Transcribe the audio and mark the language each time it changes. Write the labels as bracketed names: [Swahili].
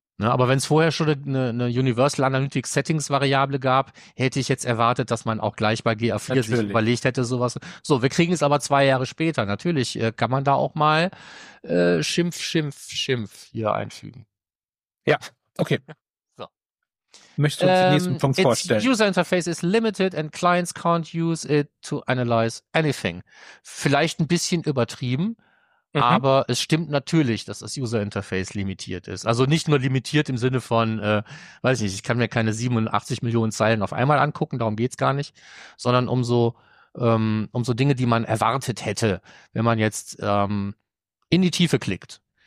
[German] Ne, aber wenn es vorher schon eine Universal Analytics Settings Variable gab, hätte ich jetzt erwartet, dass man auch gleich bei GA4 sich überlegt hätte, sowas. So, wir kriegen es aber 2 Jahre später. Natürlich kann man da auch mal Schimpf hier einfügen. Ja, okay. So. Möchtest du uns den nächsten Punkt vorstellen? [English] Its user interface is limited and clients can't use it to analyze anything. [German] Vielleicht ein bisschen übertrieben. Aber es stimmt natürlich, dass das User-Interface limitiert ist. Also nicht nur limitiert im Sinne von, weiß ich nicht, ich kann mir keine 87 Millionen Zeilen auf einmal angucken, darum geht's gar nicht, sondern um so Dinge, die man erwartet hätte, wenn man jetzt in die Tiefe klickt.